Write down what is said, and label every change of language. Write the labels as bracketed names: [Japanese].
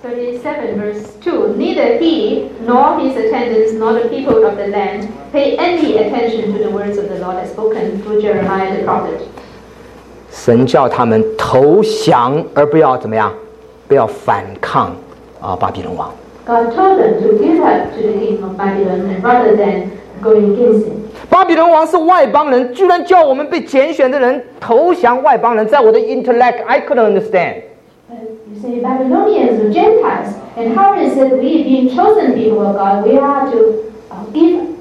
[English] 37 verse 2, neither he nor his attendants nor the people of the land pay any attention to the words of the Lord as spoken through Jeremiah the prophet. [Chinese] 神叫他们投降而不要怎么样，不要反抗啊，巴比伦王。 [English] God told them to give up to the king of Babylon rather than going against him. [Chinese] 巴比伦王是外邦人，居然叫我们被拣选的人投降外邦人，在我的 [English] intellect I couldn't understand. But you say Babylonians are Gentiles, and how is it we being chosen people of God we are to give